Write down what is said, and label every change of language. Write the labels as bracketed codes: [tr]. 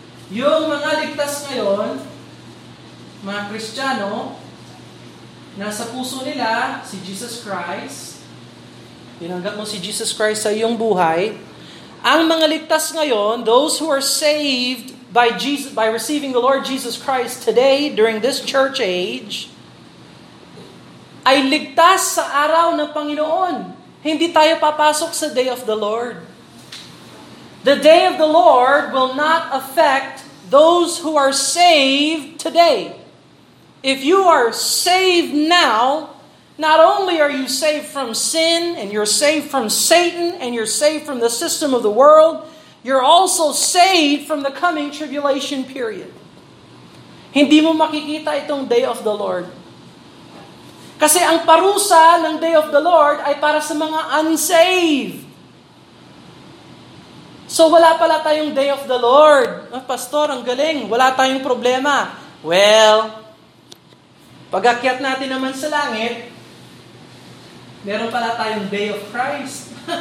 [tl] Yung mga ligtas ngayon, mga Kristiyano, nasa puso nila si Jesus Christ, tinanggap mo si Jesus Christ sa iyong buhay, ang mga ligtas ngayon, [en] those who are saved by Jesus, by receiving the Lord Jesus Christ today during this church age, [tl] ay ligtas sa araw ng Panginoon. Hindi tayo papasok sa day of the Lord. [en] The day of the Lord will not affect those who are saved today. If you are saved now, not only are you saved from sin, and you're saved from Satan, and you're saved from the system of the world, you're also saved from the coming tribulation period. [tl] Hindi mo makikita itong Day of the Lord. Kasi ang parusa ng Day of the Lord ay para sa mga unsaved. So wala pala tayong Day of the Lord. Oh, Pastor, ang galing. Wala tayong problema. Well, pag-akyat natin naman sa langit, meron pala tayong Day of Christ.